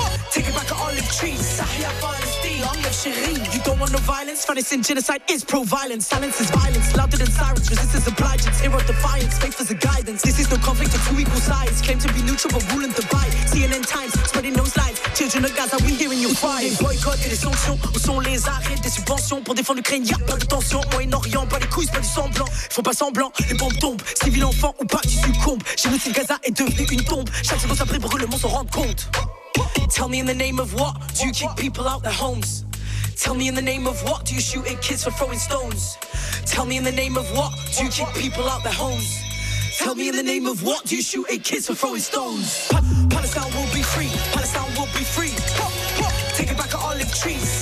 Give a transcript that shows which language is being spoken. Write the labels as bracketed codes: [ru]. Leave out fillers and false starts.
[en] Take it back at olive trees. Sahia Palestine, I'm Shireen. You don't want no violence, fantasy and genocide is pro-violence. Silence is violence, louder than sirens. Resistance obliges, era of defiance. Faith as a guidance, this is no conflict of two equal sides. Claim to be neutral but rule and divide. CNN Times, spreading those lies. Children of Gaza, we hearing you cry. [fr] Des boycotts et des sanctions, où sont les arrêts? Des subventions pour défendre l'Ukraine, y'a pas de tension. Moyen-Orient, pas les couilles, pas du semblant. Ils font pas semblant, les bombes tombent. Civils enfants ou pas, tu succombes. Génocide Gaza est devenu une tombe. Chaque seconde ça prie pour que le monde s'en rende compte. [en] Tell me in the name of what do you kick people out their homes? Tell me in the name of what do you shoot at kids for throwing stones? Tell me in the name of what do you kick people out their homes? Tell me in the name of what do you shoot at kids for throwing stones? Palestine will be free, Palestine will be free. Take it back at olive trees.